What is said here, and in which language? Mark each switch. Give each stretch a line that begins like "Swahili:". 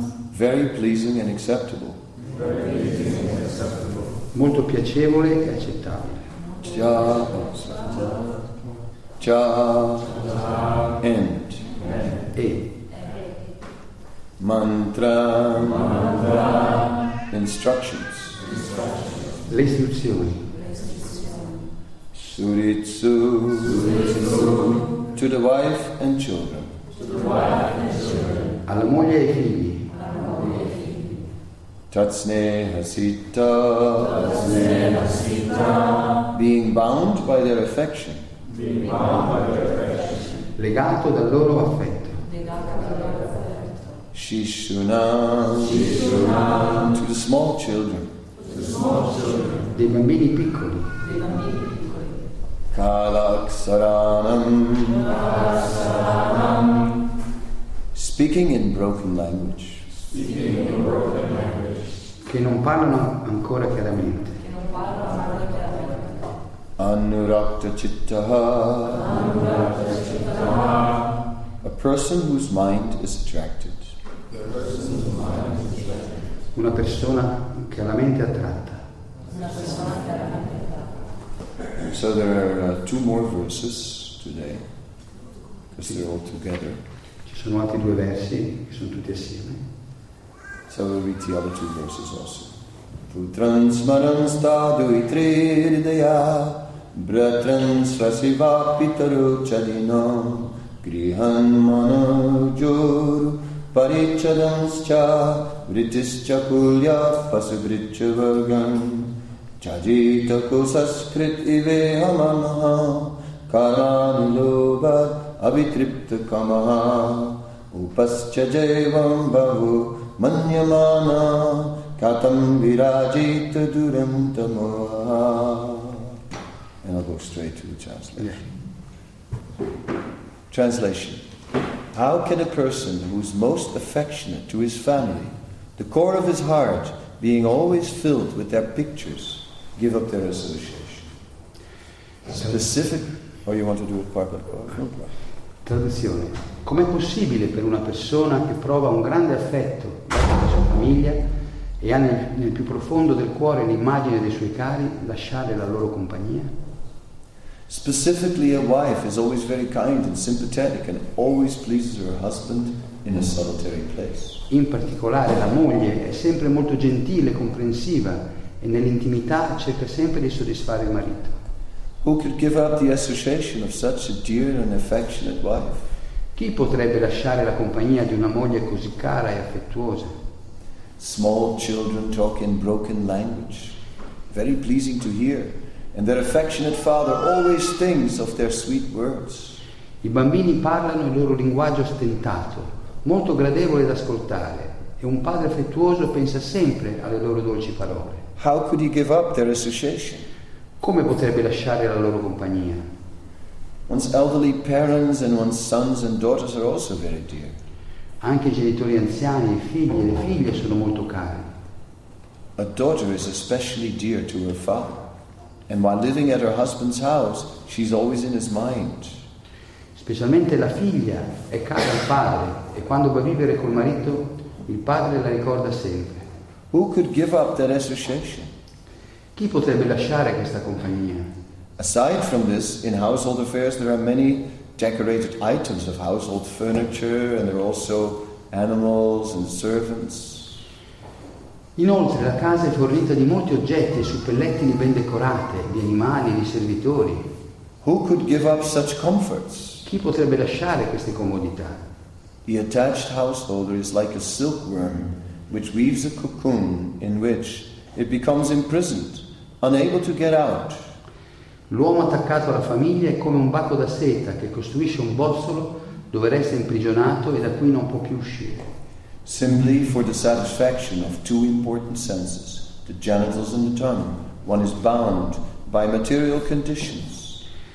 English: very pleasing and acceptable.
Italian: Molto piacevole e accettabile. Cha, cha, end. E.
Sanskrit: Mantra, mantra,
English: instructions.
Italian: Le istruzioni.
Sanskrit: Suritsu, suritsu,
English: to the wife and children.
Italian: Alla moglie e figli.
Sanskrit: Tatsneha sita. Tatsneha sita.
English: Being bound by their affection. Being bound by their affection.
Italian: Legato dal loro affetto.
Sanskrit: Shishunam. Shishunam.
English: To the small children. To the small children.
Italian: Dei bambini piccoli.
Sanskrit: Kalaksaranam. Kalaksaranam.
English: Speaking in broken language. Speaking in broken language.
Italian: Che non parlano ancora chiaramente.
Sanskrit: Anurakta chittaha. Anurakta chittaha.
English: A person whose mind is attracted.
Italian: Una persona che ha la mente attratta.
English: So there are two more verses today, because they're all together.
Italian: Sono altri due versi che sono tutti assieme.
English: So we'll read the other two verses also.
Sanskrit: Putransmaran stadu itridaya bratransvasiva pitaru chadino grihan mano juru parichadanscha vritischa kulya pasubritcha vargan chajita kusaskrit iveha mamaha karan loba avitripta kamaha upascha jayvam bahu manyamana katam virajit durantamo.
English: And I'll go straight to the translation. Yeah. Translation. How can a person who is most affectionate to his family, the core of his heart being always filled with their pictures, give up their association? Specific, or you want to do it part by part? No problem.
Italian: Traduzione. Com'è possibile per una persona che prova un grande affetto verso la sua famiglia e ha nel più profondo del cuore l'immagine dei suoi cari lasciare la loro compagnia?
English: Specifically, a wife is always very kind and sympathetic and always pleases her husband in a solitary place.
Italian: In particolare, la moglie è sempre molto gentile e comprensiva e nell'intimità cerca sempre di soddisfare il marito.
English: Who could give up the association of such a dear and affectionate wife?
Italian: Chi potrebbe lasciare la compagnia di una moglie così cara e affettuosa?
English: Small children talk in broken language, very pleasing to hear, and their affectionate father always thinks of their sweet words.
Italian: I bambini parlano il loro linguaggio stentato, molto gradevole da ascoltare, e un padre affettuoso pensa sempre alle loro dolci parole.
English: How could he give up their association?
Italian: Come potrebbe lasciare la loro compagnia?
English: One's elderly parents and one's sons and daughters are also very dear.
Italian: Anche i genitori anziani, i figli e le figlie sono molto cari.
English: A daughter is especially dear to her father, and while living at her husband's house, she's always in his mind.
Italian: Specialmente la figlia è cara al padre, e quando va a vivere col marito, il padre la ricorda sempre.
English: Who could give up that association?
Italian: Chi potrebbe lasciare questa compagnia?
English: Aside from this, in household affairs there are many decorated items of household furniture, and there are also animals and servants.
Italian: Inoltre, la casa è fornita di molti oggetti e suppellettili ben decorate, di animali e di servitori.
English: Who could give up such comforts?
Italian: Chi potrebbe lasciare queste comodità?
English: The attached householder is like a silkworm which weaves a cocoon in which it becomes imprisoned, unable to get out.
Italian: L'uomo attaccato alla famiglia è come un baco da seta che costruisce un bozzolo dove resta imprigionato e da cui non può più uscire.
English: Simply for the satisfaction of two important senses, the genitals and the tongue, one is bound by material conditions.